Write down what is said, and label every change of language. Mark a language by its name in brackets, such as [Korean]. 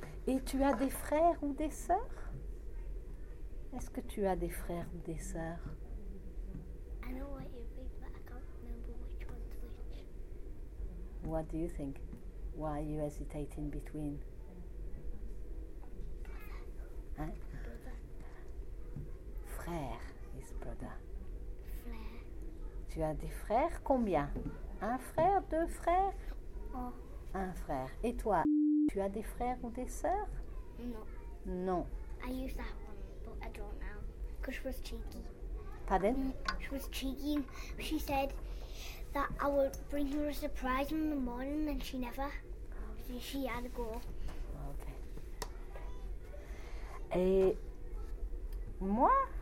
[French] Et tu as des frères ou des sœurs? Est-ce que tu as des frères ou des sœurs? [English] I know what you think, but I can't remember which one's which. What do you think? Why are you hesitating between? Brother. [French] Hein? [English] Frère, his brother. [French] Frère. Tu as des frères, combien? Un frère, deux frères? Oh. Un frère. Et toi, tu as des frères ou des sœurs? Non. Non. [English] I used that one, but I don't know. Because she was cheeky. [French] Pardon? [English] She was cheeky. She said that I would bring her a surprise in the morning and she never. She had a go. [French] Okay. Et moi?